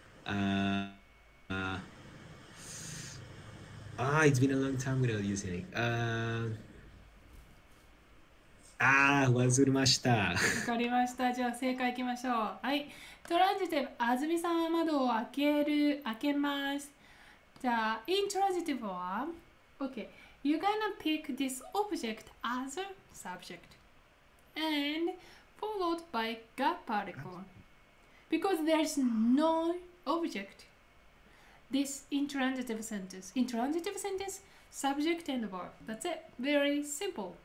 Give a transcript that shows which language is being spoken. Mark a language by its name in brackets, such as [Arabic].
[English] It's been a long time without using it. [Japanese] 忘れました。わかりました。じゃあ正解いきましょう。はい。トランジティブ、安住さんは窓を開けます。じゃあ、イントランジティブは ?OK。 [English] You're gonna pick this object as a subject and followed by が particle. Because there's no object. This intransitive sentence. Intransitive sentence, subject and verb. That's it. Very simple.